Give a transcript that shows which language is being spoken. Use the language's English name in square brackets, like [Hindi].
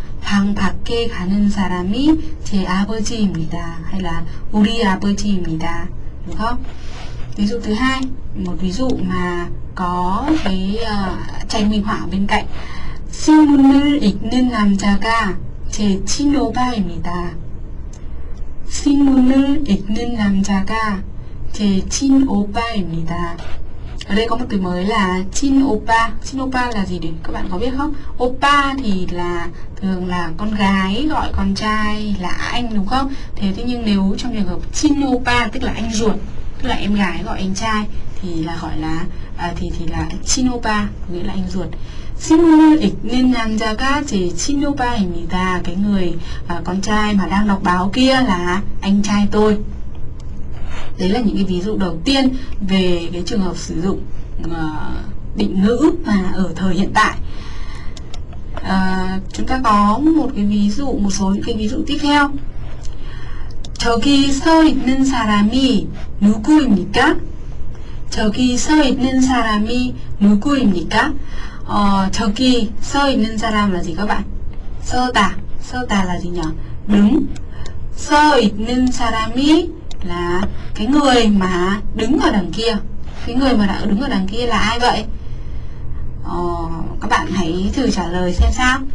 [Korean] 방 밖에 가는 사람이 제 아버지입니다, [Vietnamese] hay là [Korean] 우리 아버지입니다. [Vietnamese] Đúng không? Ví dụ thứ hai, một ví dụ mà có cái tranh minh họa bên cạnh. [Korean] 신문을 읽는 남자가 제 친오빠입니다. 신문을 읽는 남자가 제 친오빠입니다. [Vietnamese] Ở đây có một từ mới là 친오빠. 친오빠 là gì đấy? Các bạn có biết không? 오빠 thì là thường là con gái gọi con trai là anh, đúng không? Thế thế nhưng nếu trong trường hợp 친오빠 tức là anh ruột, tức là em gái gọi anh trai thì là gọi là thì là 친오빠, nghĩa là anh ruột. [Korean] 신문을 읽는 남자가 제 친오빠입니다. [Vietnamese] Cái người con trai mà đang đọc báo kia là anh trai tôi. Đấy là những cái ví dụ đầu tiên về cái trường hợp sử dụng định ngữ mà ở thời hiện tại. Chúng ta có một cái ví dụ, một số những cái ví dụ tiếp theo. [Korean] 저기 서 있는 사람이 누구입니까? 저기 서 있는 사람이 누구입니까? 저기 서 있는 사람 [Vietnamese] là gì các bạn? 서다, 서다 là gì nhỉ? Đứng. [Korean] 서 있는 사람이 [Vietnamese] là cái người mà đứng ở đằng kia. Cái người mà đã đứng ở đằng kia là ai vậy? Các bạn hãy thử trả lời xem sao.